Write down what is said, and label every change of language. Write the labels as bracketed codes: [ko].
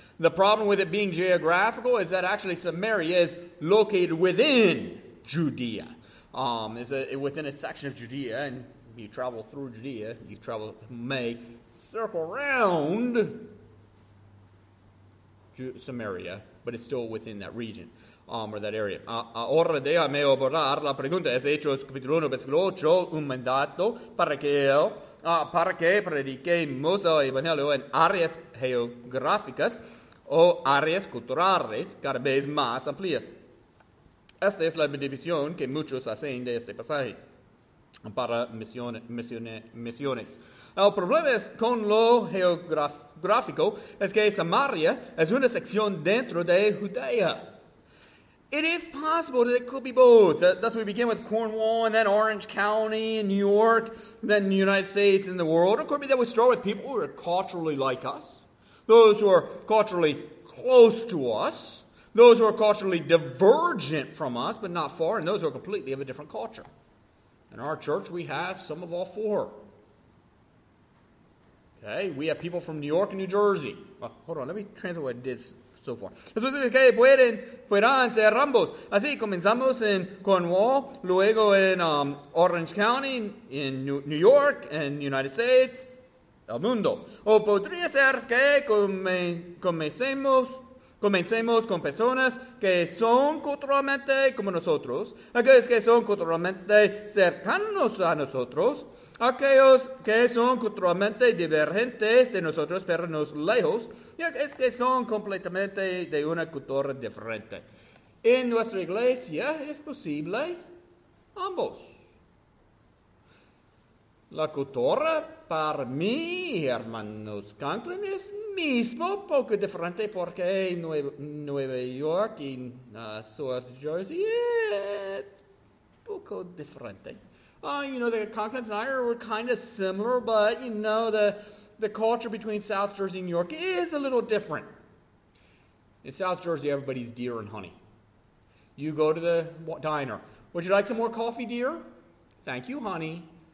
[en] The problem with it being geographical is that actually Samaria is located within Judea. Is within a section of Judea, and you travel through Judea, you travel, may circle around Samaria, but it's still within that region. Or that area. [es] Ahora déjame abordar la pregunta. Es Hechos capítulo 1, versículo 8, un mandato para que prediquemos el Evangelio en áreas geográficas o áreas culturales cada vez más amplias. Esta es la división que muchos hacen de este pasaje para misiones. El problema es con lo geográfico es que Samaria es una sección dentro de Judea. [en] It is possible that it could be both. Thus, we begin with Cornwall and then Orange County and New York, and then the United States and the world. It could be that we start with people who are culturally like us, those who are culturally close to us, those who are culturally divergent from us, but not far, and those who are completely of a different culture. In our church, we have some of all four. Okay, we have people from New York and New Jersey. Hold on, let me translate what I did. So far. [es] Que puedan ser ambos. Así comenzamos en Cornwall, luego en Orange County, en New York, en United States, el mundo. O podría ser que comencemos con personas que son culturalmente como nosotros, aquellos que son culturalmente cercanos a nosotros, aquellos que son culturalmente divergentes de nosotros, pero no lejos, y aquellos que son completamente de una cultura diferente. En nuestra iglesia es posible ambos. La cultura para mí, hermanos Conklin, es mismo poco diferente porque Nueva York y South Jersey es poco diferente. [en] The Conklin's and I were kind of similar, but, the culture between South Jersey and New York is a little different. In South Jersey, everybody's deer and honey. You go to the diner. Would you like some more coffee, dear? Thank you, honey.